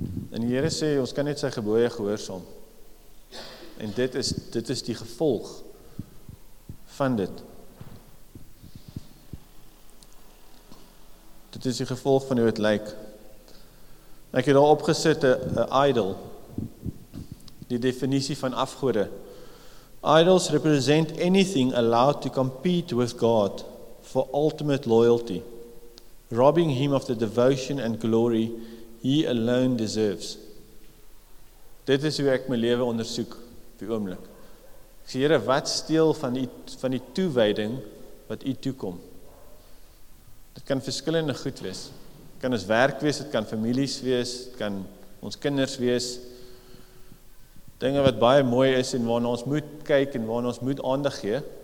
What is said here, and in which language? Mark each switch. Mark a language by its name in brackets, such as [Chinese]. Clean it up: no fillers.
[Afrikaans] En die Here sê, ons kan net sy gebooie gehoorsaam. En dit is die gevolg van dit. Dit is die gevolg van hoe dit lyk. Ek het daar opgesit, 'n idol, die definisie van afgode. [English] Idols represent anything allowed to compete with God for ultimate loyalty, robbing him of the devotion and glory he alone deserves. [Afrikaans] Dit is hoe ek my lewe ondersoek op die oomblik. Ek sê, Here, wat steel van die toewyding wat u toekom? Dit kan verskillende goed wees. Dit kan ons werk wees, dit kan families wees, dit kan ons kinders wees. Dinge wat baie mooi is en waarna ons moet kyk en waarna ons moet aandag gee.